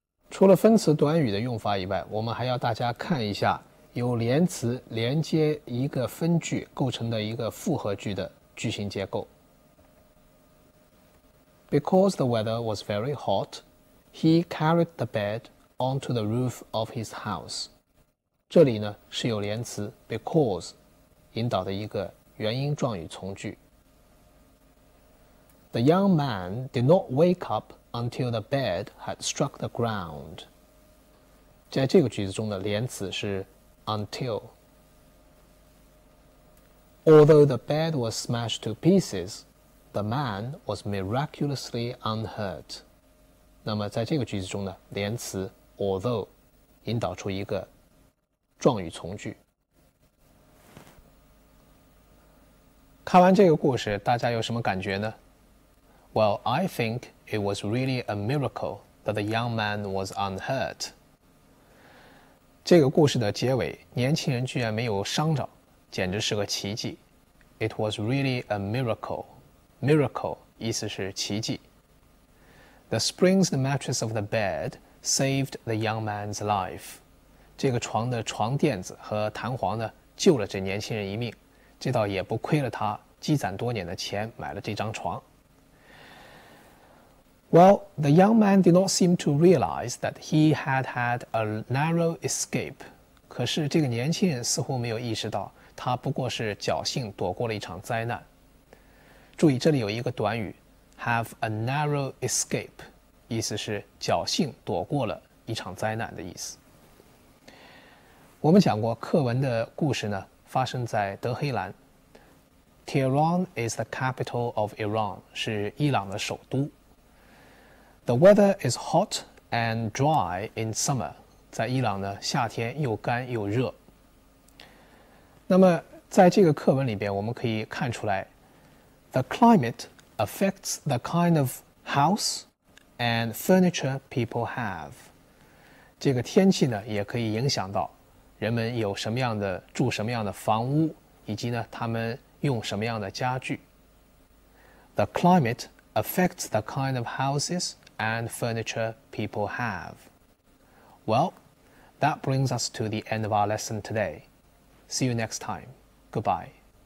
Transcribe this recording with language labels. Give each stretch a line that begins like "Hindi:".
Chinese: 除了分词短语的用法以外，我们还要大家看一下有连词连接一个分句构成的一个复合句的句型结构。
English: Because the weather was very hot, he carried the bed onto the roof of his house.
Chinese: 这里呢是有连词 because 引导的一个原因状语从句。
English: The young man did not wake up. Until the bed had struck the ground.
Chinese: 在这个句子中的连词是 until.
English: Although the bed was smashed to pieces, the man was miraculously unhurt.
Chinese: 那么在这个句子中的连词 although 引导出一个状语从句。看完这个故事，大家有什么感觉呢？
English: Well, I think it was really a miracle that the young man was unhurt.
Chinese: 这个故事的结尾，年轻人居然没有伤着，简直是个奇迹。
English: It was really a miracle.
Chinese: Miracle 意思是奇迹。
English: The springs and mattress of the bed saved the young man's life.
Chinese: 这个床的床垫子和弹簧呢，救了这年轻人一命，这倒也不亏了他积攒多年的钱买了这张床。
English: Well, the young man did not seem to realize that he had had a narrow escape.
Chinese: 可是这个年轻人似乎没有意识到，他不过是侥幸躲过了一场灾难。注意，这里有一个短语
English: have a narrow escape,
Chinese: 意思是侥幸躲过了一场灾难的意思。我们讲过课文的故事呢，发生在德黑兰。
English: Tehran is the capital of Iran,
Chinese: 是伊朗的首都。
English: The weather is hot and dry in summer.
Chinese: 在伊朗呢，夏天又干又热。那么在这个课文里边，我们可以看出来
English: ，The climate affects the kind of house and furniture people have.
Chinese: 这个天气呢，也可以影响到人们有什么样的住什么样的房屋，以及呢，他们用什么样的家具。
English: The climate affects the kind of houses and furniture people have. Well, that brings us to the end of our lesson today. See you next time. Goodbye.